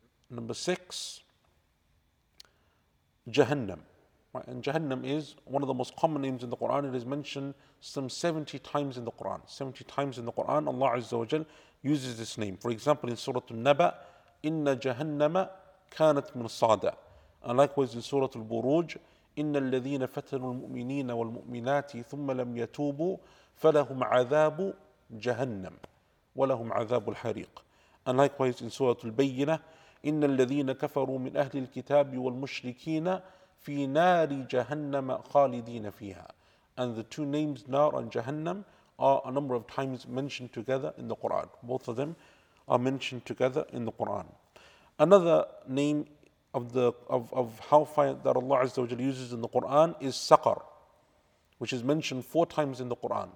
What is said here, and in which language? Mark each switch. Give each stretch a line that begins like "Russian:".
English: Number six, Jahannam. Right? And Jahannam is one of the most common names in the Quran. It is mentioned some 70 times in the Quran. 70 times in the Quran, Allah Azza wa Jal uses this name. For example, in Surah Al-Naba,
Arabic: إِنَّ جَهَنَّمَ كَانَتْ مِرْصَادًا.
English: And likewise in Surah Al-Buruj,
Arabic: إن الذين فتنوا المؤمنين والمؤمنات ثم لم يتوبوا فلهم عذاب جهنم ولهم عذاب الحريق.
English: And likewise in Surah Al-Bayyinة,
Arabic: إن الذين كفروا من أهل الكتاب والمشركين في نار جهنم خالدين فيها.
English: And the two names نار and جهنم are a number of times mentioned together in the Quran. Both of them are mentioned together in the Quran. Another name of hellfire that Allah Azza wa Jalla uses in the Quran is Saqar, which is mentioned four times in the Quran.